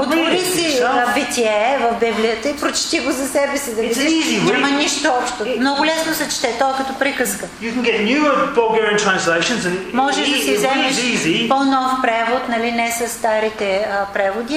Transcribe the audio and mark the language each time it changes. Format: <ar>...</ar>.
<bg>Отвори си Битие в Библията и прочети го за себе си, да видиш. Няма нищо общо. Много лесно се чете, това като приказка.</bg> <en>You can get newer Bulgarian translations and easy.</en> <bg>Можеш да си вземеш по-нов превод, нали, не със старите преводи.</bg>